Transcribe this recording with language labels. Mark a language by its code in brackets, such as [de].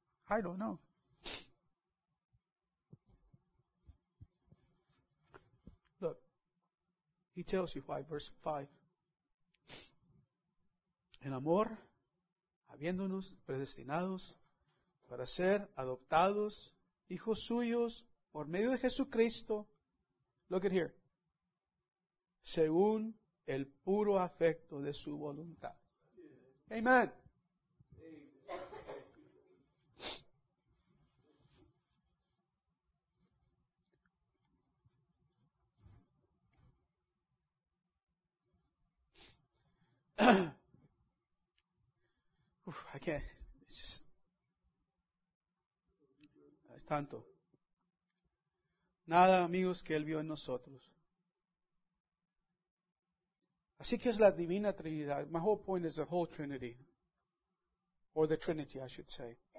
[en] I don't know. Look, He tells you why, verse 5. [es] En amor, habiéndonos predestinados para ser adoptados hijos suyos por medio de Jesucristo. [en] Look at here. [es] Según el puro afecto de su voluntad. Amen. [en] Uf, I can't. It's just. [es] Es tanto. Nada, amigos, que Él vio en nosotros. Así que es la Divina Trinidad. [en] My whole point is the whole Trinity. Or the Trinity, I should say.